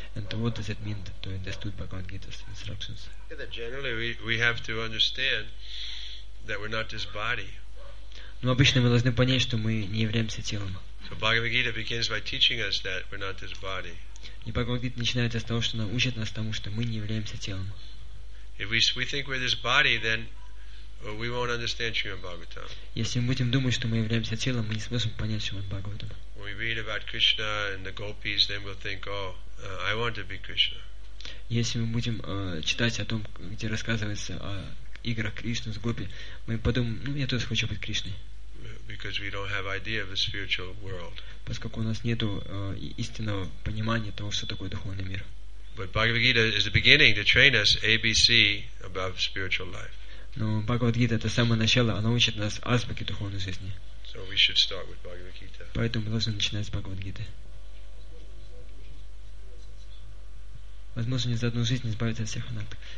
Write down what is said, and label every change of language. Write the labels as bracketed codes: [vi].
[en] And what does it mean to understood Bhagavad Gita's instructions? Yeah, that generally, we have to understand that we're not this body. [ru] Но обычно мы должны понять, что мы не являемся телом. [en] So Bhagavad Gita begins by teaching us that we're not this body. [ru] И Bhagavad Gita начинается с того, что она учит нас тому, что мы не являемся телом. [en] If we think we're this body, then we won't understand Srimad Bhagavatam. [ru] Если мы будем думать, что мы являемся телом, мы не сможем понять Srimad Bhagavatam. [en] When we read about Krishna and the gopis, then we'll think, "Oh, I want to be Krishna." [ru] Если мы будем читать о том, где рассказывается о играх Кришны с гопи, мы подумаем, ну я тоже хочу быть Кришной. [en] Because we don't have idea of the spiritual world. [ru] Поскольку у нас нету истинного понимания того, что такое духовный мир. [en] But Bhagavad Gita is the beginning to train us ABC about spiritual life. [ru] Но Бхагавад Гита это самое начало, она учит нас азбуке духовной жизни. [en] So we should start with Bhagavad Gita. [ru] Поэтому мы должны начинать с Бхагавад Гиты. возможно, не за одну жизнь избавиться от всех анартхов.